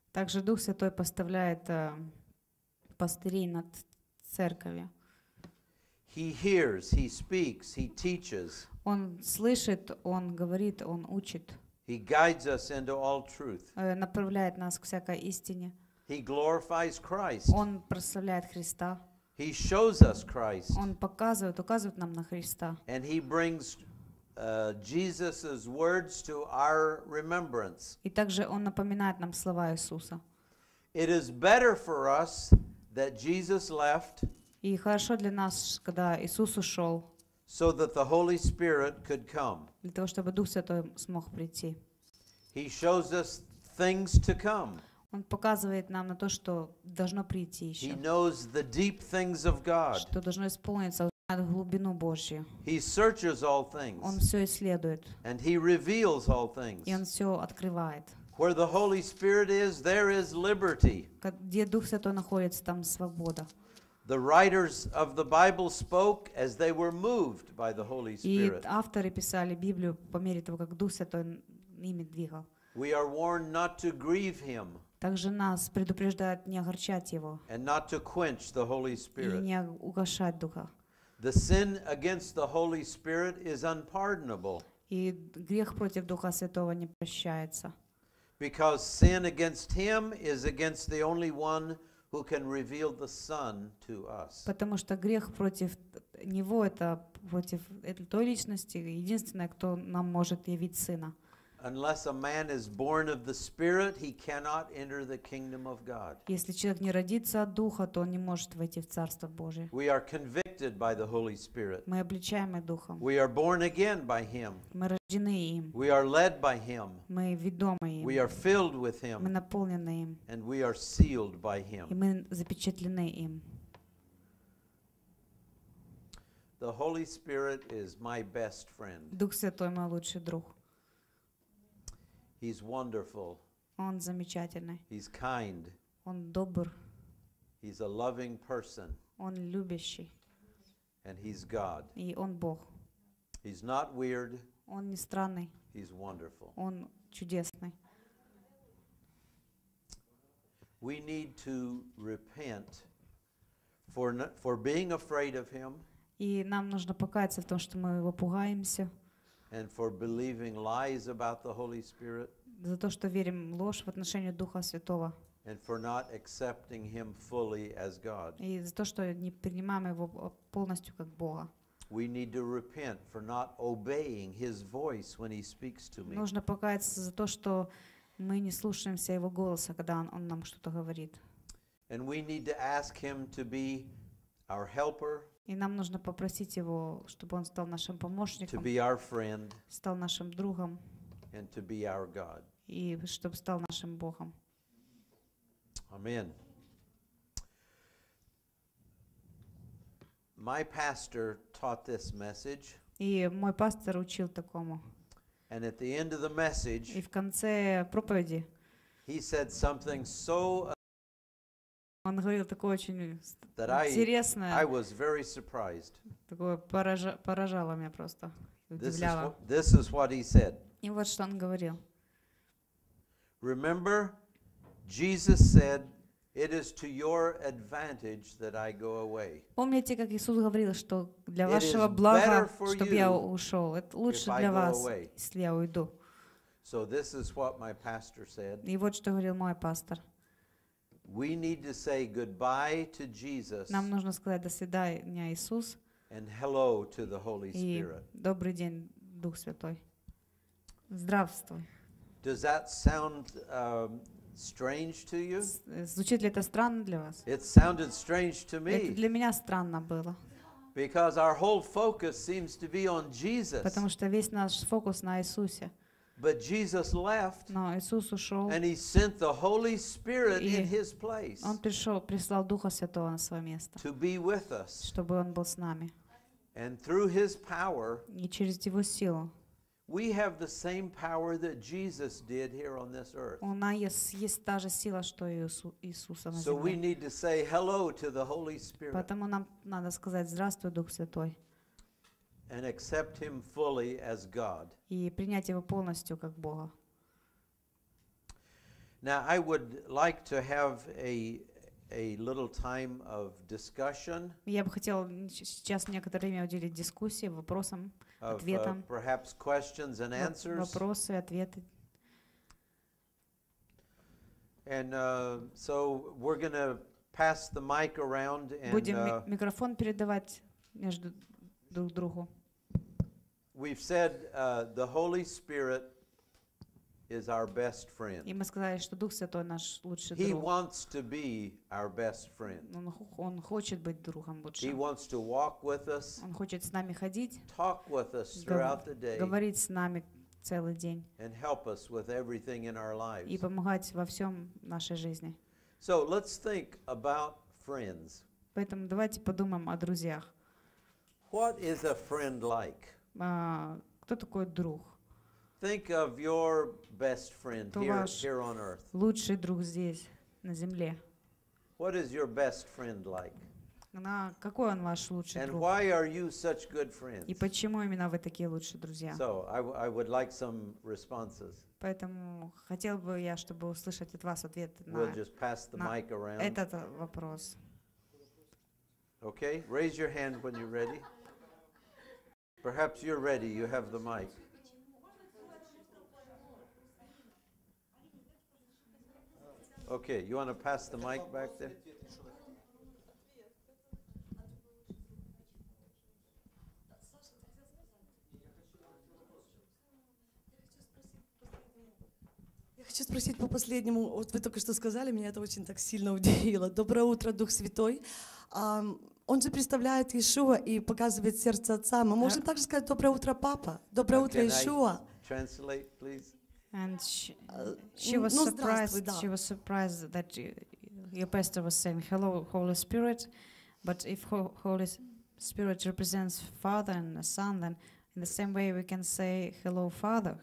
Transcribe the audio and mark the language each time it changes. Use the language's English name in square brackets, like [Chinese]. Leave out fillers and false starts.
[Russian] Также Дух Святой поставляет пастырей над церковью. [English] He hears, he speaks, he teaches. [Russian] Он слышит, он говорит, он учит. [English] He guides us into all truth. [Russian] Направляет нас к всякой истине. [English] He glorifies Christ. [Russian] Он прославляет Христа. [English] He shows us Christ. [Russian] Он показывает, указывает нам на Христа. [English] And he brings Jesus's words to our remembrance. [Russian] И также он напоминает нам слова Иисуса. [English] It is better for us that Jesus left. [Russian] И хорошо для нас, когда Иисус ушел. [English] so that the Holy Spirit could come. [Russian] Для того, чтобы Дух Святой смог прийти. [English] He shows us things to come. [Russian] Он показывает нам на то, что должно прийти еще. [English] He knows the deep things of God. [Russian] Что должно исполниться, узнает глубину Божью. [English] He searches all things. [Russian] Он все исследует. [English] And he reveals all things. [Russian] И он все открывает. [English] Where the Holy Spirit is, there is liberty. [Russian] Где Дух Святой находится, там свобода. [English] The writers of the Bible spoke as they were moved by the Holy Spirit. [Russian] И авторы писали Библию по мере того, как Дух Святой ими двигал. [English] We are warned not to grieve him. [Russian] Также нас предупреждают не огорчать его. [English] And not to quench the Holy Spirit. [Russian] И не угашать Духа. [English] The sin against the Holy Spirit is unpardonable. [Russian] И грех против Духа Святого не прощается. [English] Because sin against him is against the only one who can reveal the Son to us. [Russian] Потому что грех против него это против этой той личности, единственная, кто нам может явить сына. [English] Unless a man is born of the Spirit, he cannot enter the kingdom of God. [Russian] Если человек не родится от Духа, то он не может войти в Царство Божие. [English] We are convicted by the Holy Spirit. [Russian] Мы обличаемы Духом. [English] We are born again by Him. [Russian] Мы рождены им. [English] We are led by Him. [Russian] Мы ведомы им. [English] We are filled with Him. [Russian] Мы наполнены им. [English] And we are sealed by Him. [Russian] И мы запечатлены им. [English] The Holy Spirit is my best friend. [Russian] Дух Святой мой лучший друг. [English] He's wonderful. [Russian] Он замечательный. [English] He's kind. [Russian] Он добр. [English] He's a loving person. [Russian] Он любящий. [English] And he's God. [Russian] И он Бог. [English] He's not weird. [Russian] Он не странный. [English] He's wonderful. [Russian] Он чудесный. [English] We need to repent for being afraid of him. [Russian] И нам нужно покаяться в том, что мы его пугаемся. [English] And for believing lies about the Holy Spirit. [Russian] За то, что верим ложь в отношении Духа Святого. [English] And for not accepting Him fully as God. [Russian] И за то, что не принимаем Его полностью как Бога. [English] We need to repent for not obeying His voice when He speaks to me. [Russian] Нужно покаяться за то, что мы не слушаемся Его голоса, когда Он нам что-то говорит. [English] And we need to ask Him to be our helper. [Russian] И нам нужно попросить Его, чтобы Он стал нашим помощником. [English] To be our friend. [Russian] Стал нашим другом. [English] And to be our God. [Russian] И чтобы стал нашим Богом. [English] Amen. My pastor taught this message. [Russian] И мой пастор учил такому. [English] And at the end of the message. [Russian] И в конце проповеди. [English] He said something so. [Russian] Он говорил такое очень интересное. [English] I was very surprised. [Russian] Такое поражало меня просто. [English] This is what he said. [Russian] И вот что он говорил. [English] Remember, Jesus said, "It is to your advantage that I go away." [Russian] Помните, как Иисус говорил, что для вашего блага, чтобы я ушел. Это лучше для вас, если я уйду. [English] So this is what my pastor said. [Russian] И вот что говорил мой пастор. [English] We need to say goodbye to Jesus. [Russian] Нам нужно сказать до свидания, Иисус. [English] And hello to the Holy Spirit. [Russian] И добрый день, Дух Святой. Здравствуй. [English] Does that sound strange to you? [Russian] Звучит ли это странно для вас? [English] It sounded strange to me. [Russian] Это для меня странно было. [English] Because our whole focus seems to be on Jesus. [Russian] Потому что весь наш фокус на Иисусе. [English] But Jesus left. [Russian] Но Иисус ушел. [English] And he sent the Holy Spirit in his place. [Russian] Он пришел, прислал Духа Святого на свое место. [English] To be with us. [Russian] Чтобы он был с нами. [English] And through his power. [Russian] И через его силу. [English] We have the same power that Jesus did here on this earth. [Russian] У нас есть та же сила, что и Иисуса на земле. [English] So we need to say hello to the Holy Spirit. [Russian] Поэтому нам надо сказать здравствуй, Дух Святой. [English] And accept Him fully as God. [Russian] И принять Его полностью как Бога. [English] Now I would like to have a little time of discussion. [Russian] Я бы хотел сейчас некоторое время уделить дискуссии, вопросам. [English] Perhaps questions and answers. [Russian] Вопросы, ответы. [English] And so we're going to pass the mic around and. [Russian] Будем микрофон передавать между друг другу. [English] We've said the Holy Spirit is our best friend. [Ukrainian] І ми сказали, що Дух Святий наш лучший друг. [English] He wants to be our best friend. [Ukrainian] Він хоче бути другом лучшим. [English] He wants to walk with us. [Ukrainian] Він хоче з нами ходити. [English] Talk with us throughout the day. [Ukrainian] Говорить з нами цілий день. [English] And help us with everything in our lives. [Ukrainian] І допомагати во всьому нашій житті. [English] So let's think about friends. [Russian] Поэтому давайте подумаем о друзьях. [English] What is a friend like? [Russian] Кто такой друг? [English] Think of your best friend here on earth. [Russian] Лучший друг здесь, на земле. [English] What is your best friend like? [Russian] Какой он ваш лучший друг? [English] And why are you such good friends? [Russian] И почему именно вы такие лучшие друзья? [English] So, I would like some responses. [Russian] Поэтому хотел бы я, чтобы услышать от вас ответ на этот вопрос. [English] Okay, raise your hand when you're ready. Perhaps you're ready, you have the mic. Okay, you want to pass the mic back there? [Russian] Хочу спросить по последнему, вот вы только что сказали, меня это очень так сильно удивило. Доброе утро, Дух Святой. Он же представляет Иешуа и показывает сердце Отца. Мы можем также сказать доброе утро, Папа. Доброе утро, Иешуа. [English] Translate, please. And she was surprised that your pastor was saying, "Hello, Holy Spirit." But if Holy Spirit represents Father and the Son, then in the same way we can say, "Hello, Father.